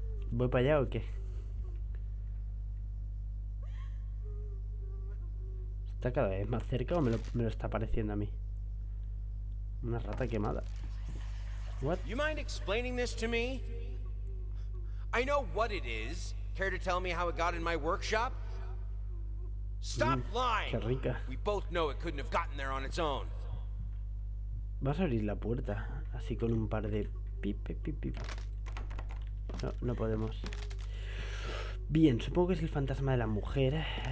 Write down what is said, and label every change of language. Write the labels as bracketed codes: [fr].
[es] ¿Voy para allá o qué? ¿Está cada vez más cerca o me lo está apareciendo a mí? Una rata quemada. [en] What? You mind explaining this to me? I know what it is. Care to tell me how it got in my workshop? Stop lying. [es] Qué rica. [en] We both know it couldn't have gotten there on its own. [es] Vas a abrir la puerta así con un par de pipe pipe pipe. No, no podemos. Bien, supongo que es el fantasma de la mujer.